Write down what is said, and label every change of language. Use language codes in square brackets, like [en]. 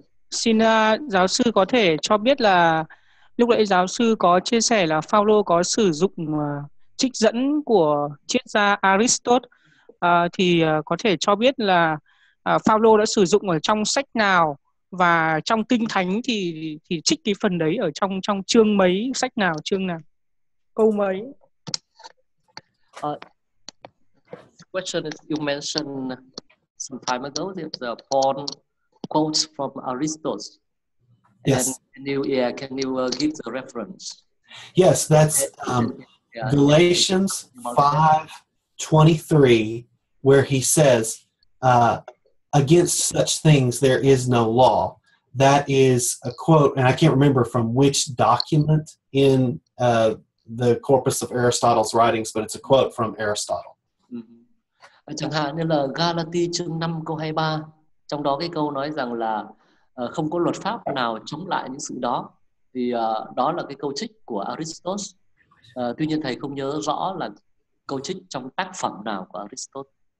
[vi] Xin giáo sư có thể cho biết là lúc nãy giáo sư có chia sẻ là Phaolô có sử dụng trích dẫn của triết gia Aristotle, thì có thể cho biết là Phaolô đã sử dụng ở trong sách nào và trong Kinh Thánh thì trích cái phần đấy ở trong chương mấy, sách nào, chương nào, câu mấy? [en] Question is, you mentioned some time ago that the Paul quotes from Aristotle. Yes. And can you give the reference? Yes, that's Galatians 5:23, where he says, against such things there is no law. That is a quote, and I can't remember from which document in the corpus of Aristotle's writings, but it's a quote from Aristotle. Mm-hmm. [vi] Chẳng hạn như là Galati chương 5 câu 23, trong đó cái câu nói rằng là không có luật pháp nào chống lại những sự đó. Thì đó là cái câu trích của Aristotle. Tuy nhiên thầy không nhớ rõ là câu trích trong tác phẩm nào của Aristotle.